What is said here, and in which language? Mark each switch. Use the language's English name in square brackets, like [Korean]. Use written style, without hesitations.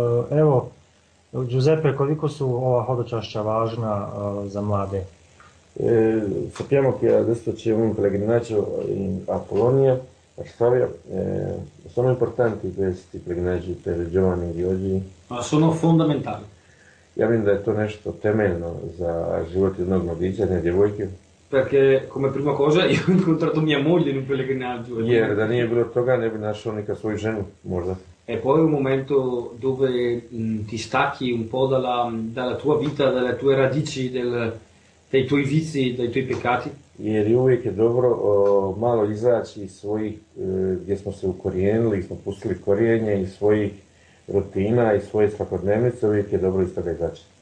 [Croatian] Evo, Giuseppe, koliko su ova hodočašća važna za mlade? [Italian] Sappiamo che adesso c'è un pellegrinaggio in Polonia, Varsavia. Sono importanti questi pellegrinaggi per i giovani di oggi? Ma sono fondamentali. [Croatian] Ja vedo da è to nešto temeljno za život jednog mladića, jedne djevojke. [Italian] Perché come prima cosa io ho incontrato mia moglie in un pellegrinaggio. [Croatian] Jer da nije bilo toga ne bi našao neka svoju ženu, možda. [Italian] E poi un momento dove ti stacchi un po' dalla tua vita, dalle tue radici, dei tuoi vizi, dei tuoi peccati. [Croatian] Jer je uvijek dobro malo izaći iz svojih, gdje smo se ukorijenili, smo pustili korijenje, iz svojih rutina, iz svoje svakodnevnice, uvijek je dobro iz toga izaći.